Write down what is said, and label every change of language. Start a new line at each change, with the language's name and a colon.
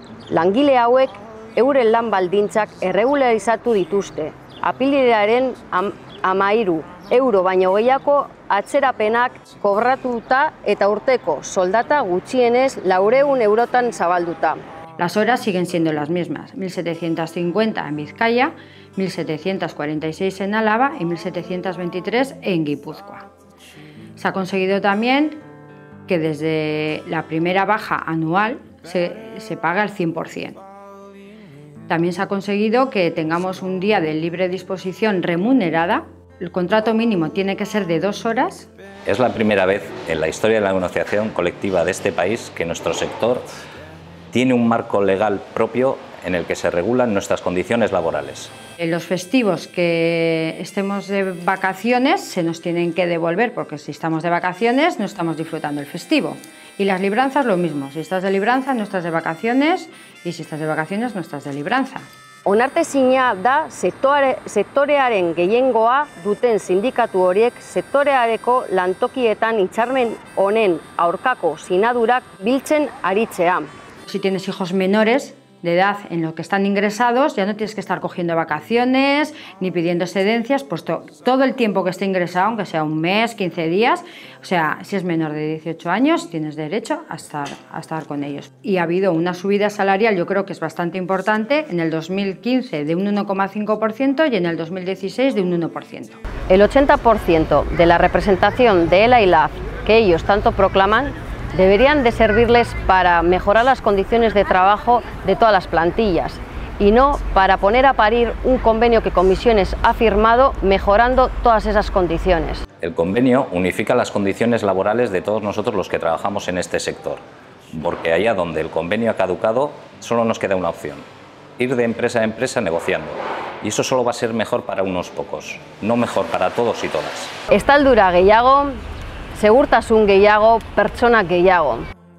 Basque: Langile hauek euren lan baldintzak erregularizatu dituzte, apilaren 13 euro baino gehiago atzerapenak kobratuta eta urteko soldata gutxienez 400 eurotan zabalduta.
Spanish: Las horas siguen siendo las mismas, 1.750 en Bizkaia, 1.746 en Álava y 1.723 en Guipúzcoa. Se ha conseguido también que desde la primera baja anual se pague al 100%. También se ha conseguido que tengamos un día de libre disposición remunerada. El contrato mínimo tiene que ser de 2 horas. Es la primera vez en la historia de la negociación colectiva de este país que nuestro sector tiene un marco legal propio en el que se regulan nuestras condiciones laborales. En los festivos que estemos de vacaciones se nos tienen que devolver, porque si estamos de vacaciones no estamos disfrutando el festivo. Y las libranzas lo mismo, si estás de libranza no estás de vacaciones y si estás de vacaciones no estás de libranza.
Basque: Onartezina da sektorearen gehiengoa duten sindikatu horiek sektoreareko lantokietan hitzarmen honen aurkako sinadurak biltzen aritzea.
Spanish: Si tienes hijos menores de edad en lo que están ingresados, ya no tienes que estar cogiendo vacaciones ni pidiendo excedencias, puesto todo el tiempo que esté ingresado, aunque sea un mes, 15 días, o sea, si es menor de 18 años, tienes derecho a estar con ellos. Y ha habido una subida salarial, yo creo que es bastante importante, en el 2015 de un 1,5% y en el 2016 de un 1%. El 80% de la representación de ELA y LAF que ellos tanto proclaman deberían de servirles para mejorar las condiciones de trabajo de todas las plantillas y no para poner a parir un convenio que Comisiones ha firmado mejorando todas esas condiciones. El convenio unifica las condiciones laborales de todos nosotros los que trabajamos en este sector, porque allá donde el convenio ha caducado solo nos queda una opción, ir de empresa a empresa negociando. Y eso solo va a ser mejor para unos pocos, no mejor para todos y todas.
Basque: Estaldura gehiago, segurtasun gehiago, pertsonak gehiago.